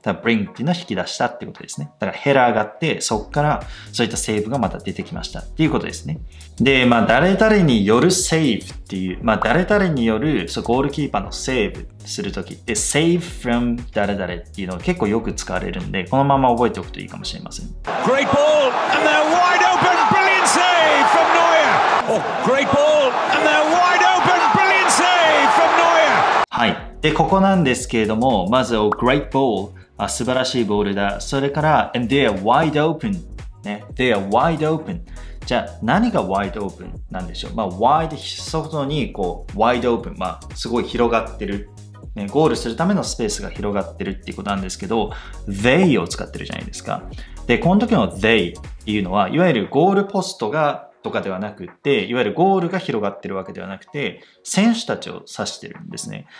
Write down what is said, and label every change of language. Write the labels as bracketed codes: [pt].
[ja] だから bring っていうのは引き出したってことですね。だからヘラーがあって、そっからそういったセーブがまた出てきましたっていうことですね。で、まあ誰々によるセーブっていう、まあ誰々によるそうゴールキーパーのセーブするときって、 save from 誰々っていうのが結構よく使われるんで、このまま覚えておくといいかもしれません。 [en] Great ball and they're wide open, brilliant save from Neuer. Oh, great ball and they're wide open, brilliant save from Neuer. [ja] はい。で、ここなんですけれども、まず、 oh, great ball、まあ、素晴らしいボールだ。 [en] それから、and they are wide open、ね。 They are wide open。 [ja] じゃあ、何が wide open なんでしょう。まあ、wide、外に、こう、wide open。まあ、すごい広がってる、ね。ゴールするためのスペースが広がってるっていうことなんですけど、they を使ってるじゃないですか。で、この時の they っていうのは、いわゆるゴールポストが、とかではなくて、いわゆるゴールが広がってるわけではなくて、選手たちを指してるんですね。